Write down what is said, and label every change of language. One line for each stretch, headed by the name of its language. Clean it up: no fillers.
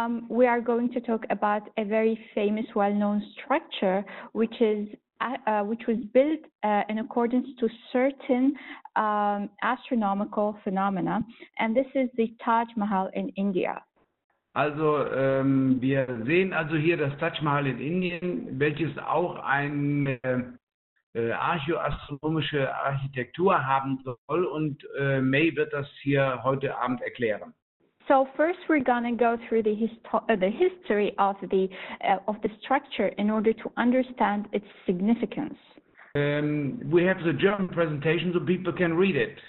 English: We are going to talk about a very famous, well-known structure, which is which was built in accordance to certain astronomical phenomena, and this is the Taj Mahal in India.
German: Also, wir sehen also hier das Taj Mahal in Indien, welches auch eine archäoastronomische Architektur haben soll, und May wird das hier heute Abend erklären.
English: So first we're going to go through the history of the structure in order to understand its significance. We have the German presentation so people can read it.